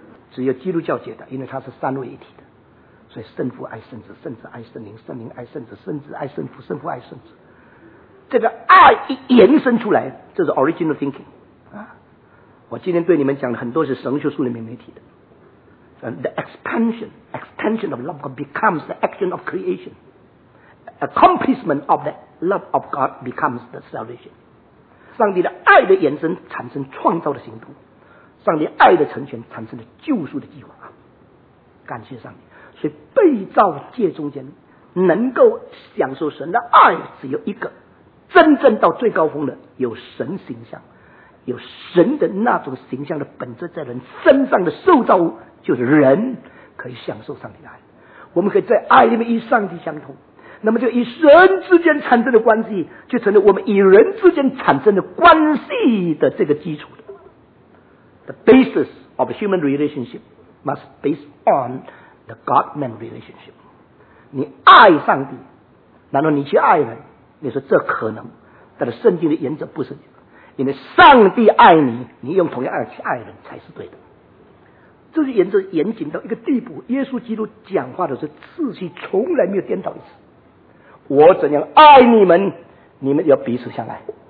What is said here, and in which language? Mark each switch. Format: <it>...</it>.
<zh>只有基督教界的，因为他是三位一体的，所以圣父爱圣子，圣子爱圣灵，圣灵爱圣子，圣子爱圣父，圣父爱圣子。这个爱一延伸出来，这是 original thinking 啊！我今天对你们讲的很多是神学书里面没提的。</zh> <en>The expansion of love becomes the action of creation. Accomplishment of the love of God becomes the salvation.</en> <zh>上帝的爱的延伸产生创造的行动，上帝爱的成全产生了救赎的计划。感谢上帝，所以被造界中间能够享受神的爱只有一个，真正到最高峰的有神形象，有神的那种形象的本质在人身上的受造物，就是人可以享受上帝的爱，我们可以在爱里面与上帝相通，那么就与神之间产生的关系就成了我们与人之间产生的关系的这个基础的。</zh> <en>The basis of human relationship must based on the God-man relationship.</en> <zh>你爱上帝，难道你去爱人，你说这可能，但是圣经的原则不是，因为上帝爱你，你用同样爱去爱人才是对的。这是原则严谨到一个地步，耶稣基督讲话的时候次序从来没有颠倒一次，我怎样爱你们，你们要彼此相爱。</zh>